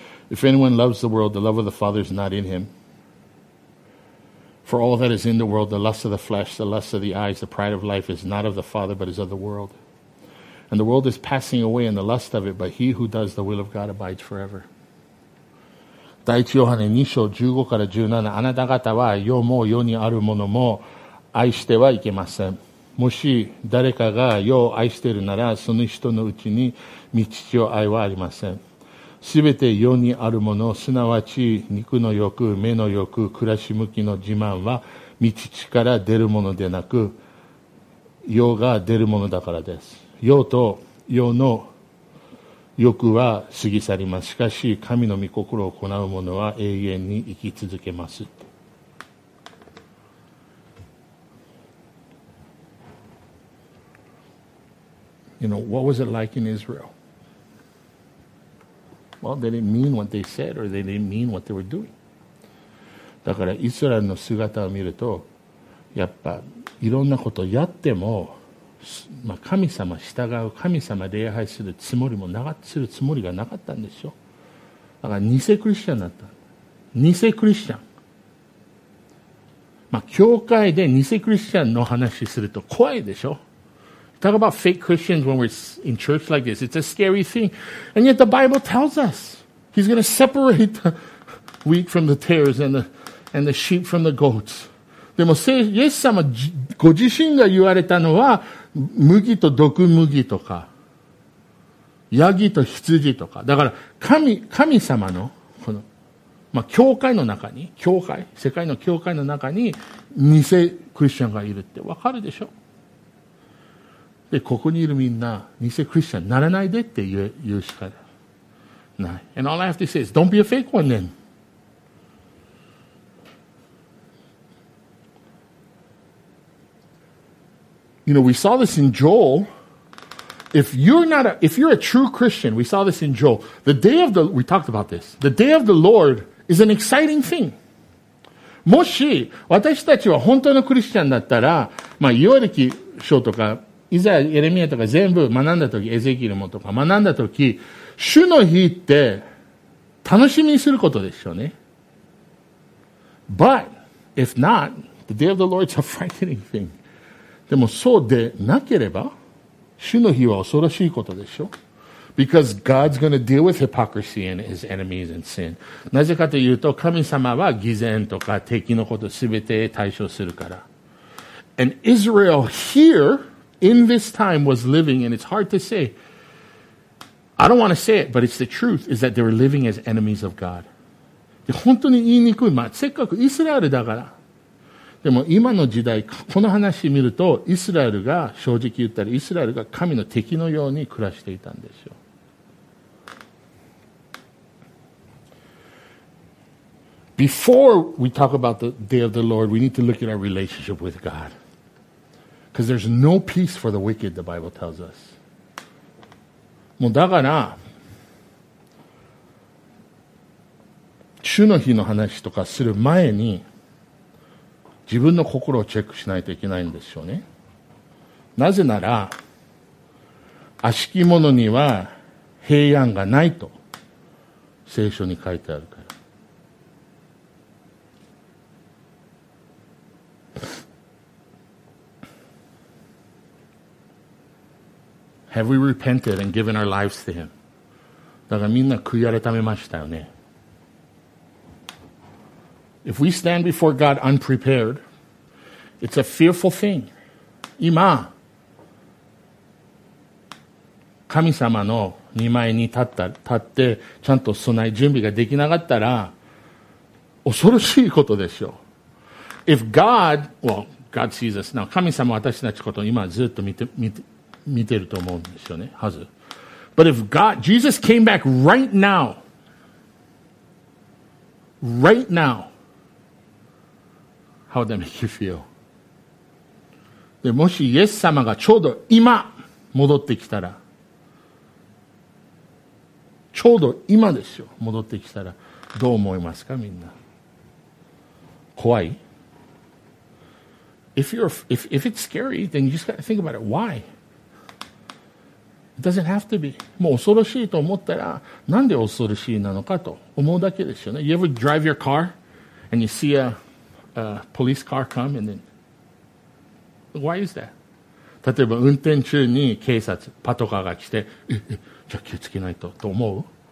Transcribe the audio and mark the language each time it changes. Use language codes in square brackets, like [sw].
[en] If anyone loves the world, the love of the Father is not in him. For all that is in the world, the lust of the flesh, the lust of the eyes, the pride of life is not of the Father, but is of the world. And the world is passing away in the lust of it, but he who does the will of God abides forever. [ja] 第一ヨハネ2章15から17、あなた方は世も世にあるものも愛してはいけません。もし誰かが世を愛しているなら、その人のうちに御父の愛はありません。すべて世にあるもの、すなわち肉の欲、目の欲、暮らし向きの自慢は御父から出るものでなく、世が出るものだからです。世と世の欲は過ぎ去ります。しかし神の御心を行う者は永遠に生き続けます。 [en] You know, what was it like in Israel? Well, they didn't mean what they said or they didn't mean what they were doing. [ja] だからイスラエルの姿を見るとやっぱいろんなことやっても、まあ、神様従う神様礼拝するつもりもなかするつもりがなかったんですよ。だから偽クリスチャンだった。偽クリスチャン、まあ、教会で偽クリスチャンの話すると怖いでしょ。 [en] Talk about fake Christians when we're in church like this. It's a scary thing. And yet the Bible tells us he's going to separate the wheat from the tares and the sheep from the goats. [ja] でも、イエス様ご自身が言われたのは、麦と毒麦とか、ヤギと羊とか。だから、神様の、この、まあ、教会の中に、教会、世界の教会の中に、偽クリスチャンがいるってわかるでしょ。でここにいるみんな偽クリスチャンならないでって言うしかない。 [en] And all I have to say is, don't be a fake one then. You know, we saw this in Joel. If you're a true Christian, we saw this in Joel. We talked about this. The day of the Lord is an exciting thing. [ja] もし私たちは本当のクリスチャンだったら、まあ、ヨエル書とか、イザヤ、エレミアとか全部学んだとき、エゼキエルもとか学んだとき、主の日って楽しみにすることでしょうね。 [en] But, if not, the day of the Lord is a frightening thing. [ja] でもそうでなければ、主の日は恐ろしいことでしょう。 [en] Because God's going to deal with hypocrisy and his enemies and sin. [ja] なぜかというと、神様は偽善とか敵のことすべて対処するから。 [en] And Israel here,in this time was living, and it's hard to say, I don't want to say it, but it's the truth, is that they were living as enemies of God. [ja] で本当に言いにくい、まあ、せっかくイスラエルだから。でも今の時代、この話を見ると、イスラエルが、正直言ったら、イスラエルが神の敵のように暮らしていたんですよ。 [en] Before we talk about the day of the Lord, we need to look at our relationship with God. Because there's no peace for the wicked, the Bible tells us. [ja] もうだから、主の日の話とかする前に、自分の心をチェックしないといけないんでしょうね。なぜなら、悪しき者には平安がないと、聖書に書いてあるから。 [en] Have we repented and given our lives to Him? [ja] だからみんな悔い改めましたよね。 [en] If we stand before God unprepared, it's a fearful thing. [ja] 今、神様の御前に立って、ちゃんと備え準備ができなかったら、恐ろしいことでしょう。 [en] If God, well, God sees us now. [ja] 神様は私たちことを今ずっと見てると思うんですよね。はず。 [en] But if God, Jesus came back right now, how would that make you feel? [ja] で、もしイエス様がちょうど今戻ってきたら、ちょうど今ですよ、戻ってきたら、どう思いますか、みんな。怖い？ [en] If it's scary, then you just gotta think about it. Why? It doesn't have to be. [ja] もう恐ろしいと思ったら、なんで恐ろしいなのかと思うだけですよね。 [en] You ever drive your car and you see a police car come and then, why is that? [ja] 例えば運転中に警察、パトカーが来て、じゃあ気をつけないとと思う。